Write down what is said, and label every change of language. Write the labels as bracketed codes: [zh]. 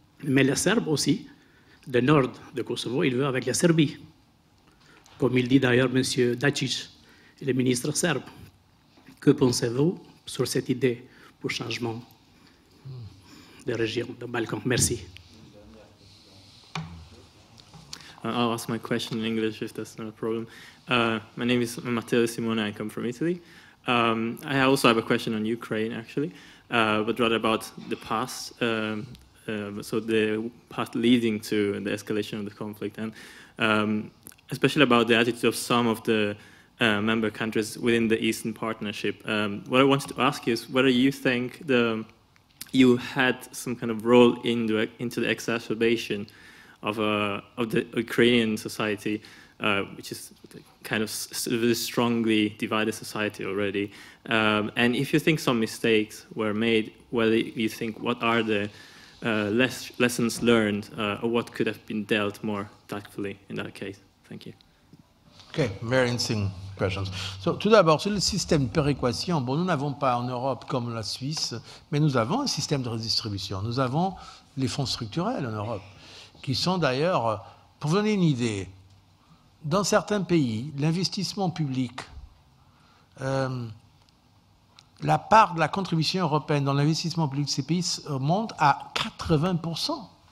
[fr] Mais les Serbes aussi, du nord de Kosovo, ils veulent avec la Serbie. Comme il dit d'ailleurs M. Dačić, le ministre serbe. Que pensez-vous sur cette idée pour changement de région, de Balkan? Merci. [en] I'll ask my question in English if that's not a problem. My name is Matteo Simone. I come from Italy. I also have a question on Ukraine, actually, but rather about the past. So the path leading to the escalation of the conflict, and especially about the attitude of some of the member countries within the Eastern Partnership. What I wanted to ask you is whether you think you had some kind of role into the exacerbation of the Ukrainian society, which is kind of a strongly divided society already. And if you think some mistakes were made, whether you think what are the lessons learned or what could have been dealt more tactfully in that case? Thank you. Okay, very interesting questions. [fr] So, tout d'abord, sur le système de péréquation, bon, nous n'avons pas en Europe comme la Suisse, mais nous avons un système de redistribution. Nous avons les fonds structurels en Europe. Qui sont d'ailleurs, pour vous donner une idée, dans certains pays, l'investissement public, la part de la contribution européenne dans l'investissement public de ces pays monte à 80%.